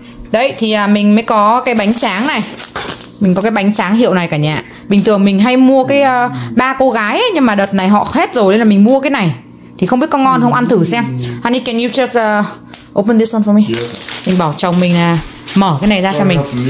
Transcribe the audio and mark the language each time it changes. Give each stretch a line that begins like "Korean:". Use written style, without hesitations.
Vietnamese: Đấy thì mình mới có cái bánh tráng này. Mình có cái bánh tráng hiệu này cả nhà. Bình thường mình hay mua cái ba cô gái ấy, nhưng mà đợt này họ hết rồi nên là mình mua cái này. Thì không biết có ngon không, ăn thử xem.
English: Honey, can you just open this one for me? Yeah.
Vietnamese: Mình bảo chồng mình mở cái này ra cho mình.